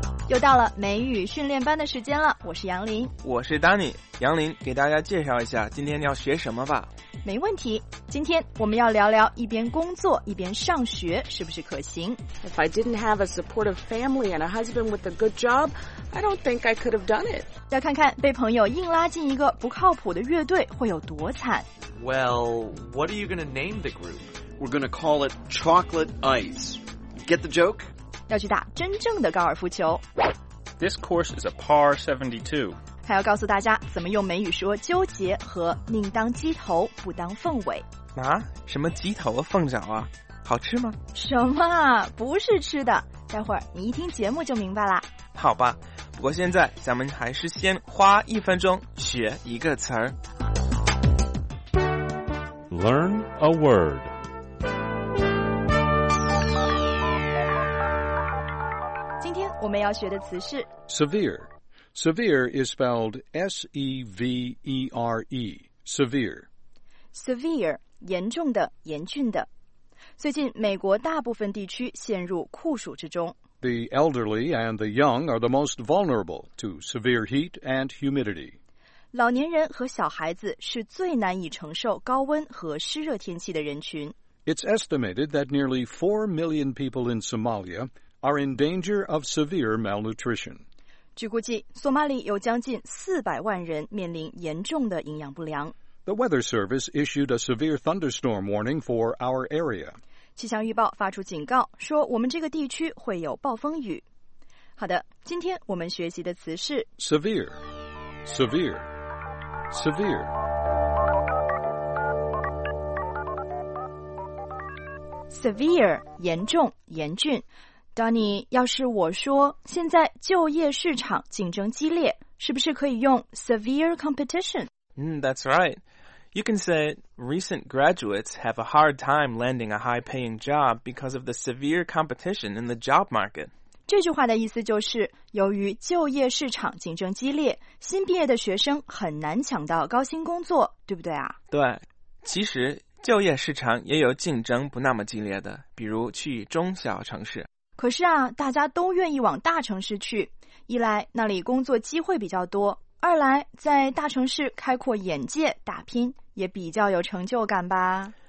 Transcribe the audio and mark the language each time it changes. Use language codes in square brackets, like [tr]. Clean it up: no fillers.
[zh] 又到了美语训练班的时间了，我是杨林。我是 Danny。杨林，给大家介绍一下今天要学什么吧。没问题，今天我们要聊聊一边工作一边上学是不是可行。 [en] If I didn't have a supportive family and a husband with a good job, I don't think I could have done it. [zh] 要看看被朋友硬拉进一个不靠谱的乐队会有多惨。 [en] Well, what are you going to name the group? We're going to call it Chocolate Ice. Get the joke? [zh] 要去打真正的高尔夫球。 [en] This course is a par 72. [zh] 还要告诉大家怎么用美语说纠结和宁当鸡头不当凤尾。啊？什么鸡头凤脚啊？好吃吗？什么？不是吃的。待会儿你一听节目就明白了。好吧，不过现在咱们还是先花一分钟学一个词儿。 [en] Learn a word. [zh] 我们要学的词是 [en] severe. Severe is spelled S-E-V-E-R-E. Severe. [zh] Severe, 严重的，严峻的。最近美国大部分地区陷入酷暑之中。 [en] The elderly and the young are the most vulnerable to severe heat and humidity. [zh] 老年人和小孩子是最难以承受高温和湿热天气的人群。 [en] It's estimated that nearly 4 million people in Somalia... are in danger of severe malnutrition. [zh] 据估计，索马里有将近400万人面临严重的营养不良。 [en] The Weather Service issued a severe thunderstorm warning for our area. [zh] 气象预报发出警告，说我们这个地区会有暴风雨。好的，今天我们学习的词是 [en] severe, severe, severe. [zh] severe, 严重，严峻。Donny, 要是我说现在就业市场竞争激烈，是不是可以用 severe competition? [en] That's right. You can say recent graduates have a hard time landing a high-paying job because of the severe competition in the job market. [zh] 这句话的意思就是，由于就业市场竞争激烈，新毕业的学生很难抢到高薪工作，对不对啊？对，其实就业市场也有竞争不那么激烈的，比如去中小城市。可是啊，大家都愿意往大城市去，一来那里工作机会比较多，二来在大城市开阔眼界打拼也比较有成就感吧。